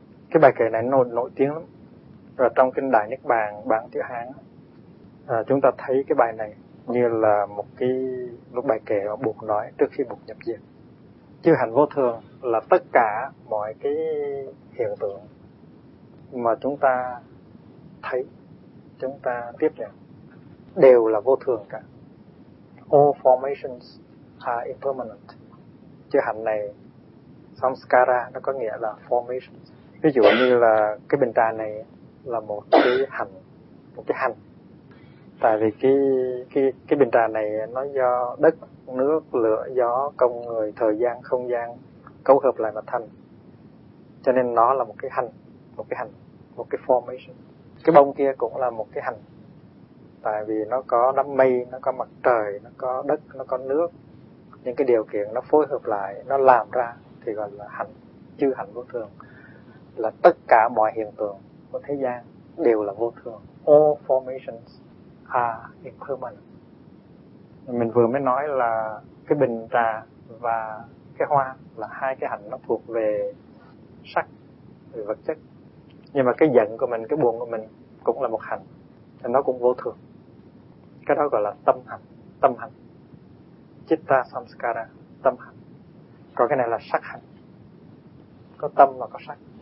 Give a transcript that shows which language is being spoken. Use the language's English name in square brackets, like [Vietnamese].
[Vietnamese] Cái bài kệ này nổi tiếng lắm. Và trong kinh Đại Niết Bàn bản chữ Hán, chúng ta thấy cái bài này như là một cái lúc bài kệ mà Bụt nói trước khi Bụt nhập diệt. Chư hạnh vô thường là tất cả mọi cái hiện tượng mà chúng ta thấy, chúng ta tiếp nhận đều là vô thường cả. [English] All formations are impermanent. [Vietnamese] Chư hạnh này, samskara, nó có nghĩa là formations. Ví dụ như là cái bình trà này là một cái hạnh, một cái hạnh. Tại vì cái bình trà này nó do đất, nước, lửa, gió, công, người, thời gian, không gian cấu hợp lại mà thành. Cho nên nó là một cái hạnh, một cái hạnh, một cái formation. Cái bông kia cũng là một cái hành, tại vì nó có đám mây, nó có mặt trời, nó có đất, nó có nước. Những cái điều kiện nó phối hợp lại, nó làm ra thì gọi là hành. Chư hành vô thường là tất cả mọi hiện tượng của thế gian đều là vô thường. [English] All formations are impermanent. [Vietnamese] Mình vừa mới nói là cái bình trà và cái hoa là hai cái hành, nó thuộc về sắc, về vật chất. Nhưng mà cái giận của mình, cái buồn của mình cũng là một hành, thì nó cũng vô thường. Cái đó gọi là tâm hành, tâm hành. Citta samskara, tâm hành. Còn cái này là sắc hành. Có tâm và có sắc.